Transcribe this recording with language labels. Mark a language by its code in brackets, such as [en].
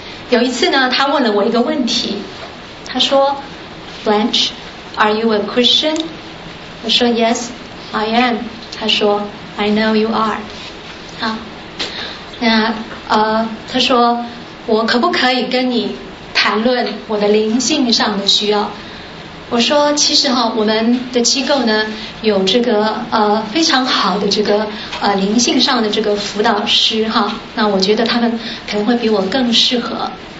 [zh] 有一次呢，他问了我一个问题，他说 ，Blanche， [en] are you a Christian？ [zh] 我说 [en] ，Yes， I am。 [zh] 他说 ， [en] I know you are。 [zh] 啊，那他说，我可不可以跟你谈论我的灵性上的需要？我说其实哈，我们的机构呢有这个非常好的这个灵性上的这个辅导师哈，那我觉得他们可能会比我更适合。